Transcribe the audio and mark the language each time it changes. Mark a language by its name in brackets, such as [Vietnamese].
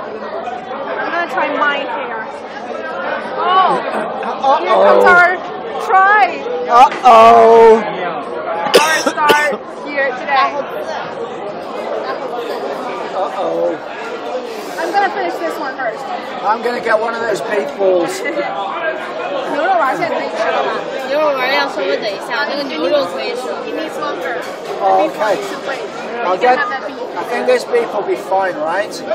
[English] I'm gonna try mine here. Oh! Uh-oh. Here comes our try! Uh-oh! Our star here today. Uh-oh. I'm gonna finish this one first. I'm gonna get one of those big balls. [Chinese] 牛肉丸现在可以吃了吗？牛肉丸要稍微等一下，那个牛肉可以吃。 [English] Okay. I'll get. I think this beef will be fine, right?